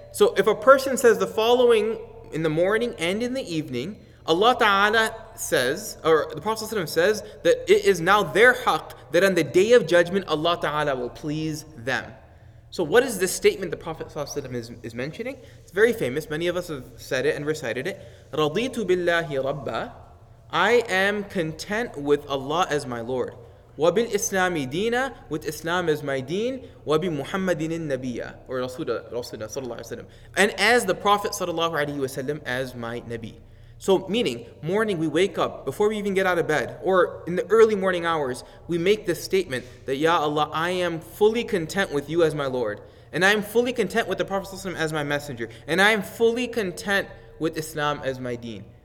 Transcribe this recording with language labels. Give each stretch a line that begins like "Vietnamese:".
English: So if a person says the following in the morning and in the evening, Allah Ta'ala says, or the Prophet ﷺ says, that it is now their haqq that on the day of judgment, Allah Ta'ala will please them. So what is this statement the Prophet ﷺ is mentioning? It's very famous. Many of us have said it and recited it.
Arabic: رَضِيتُ بِاللَّهِ رَبَّا
English: I am content with Allah as my Lord.
Arabic: وَبِالْإِسْلَامِ دِينَ
English: With Islam as my deen.
Arabic: وَبِمُحَمَّدٍ النَّبِيَّ
English: Or Rasulullah
Arabic: صلى الله عليه وسلم.
English: And as the Prophet صلى الله عليه وسلم as my Nabi. So meaning, morning we wake up, before we even get out of bed, or in the early morning hours, we make this statement that, Ya Allah, I am fully content with you as my Lord. And I am fully content with the Prophet صلى الله عليه وسلم as my messenger. And I am fully content with Islam as my deen.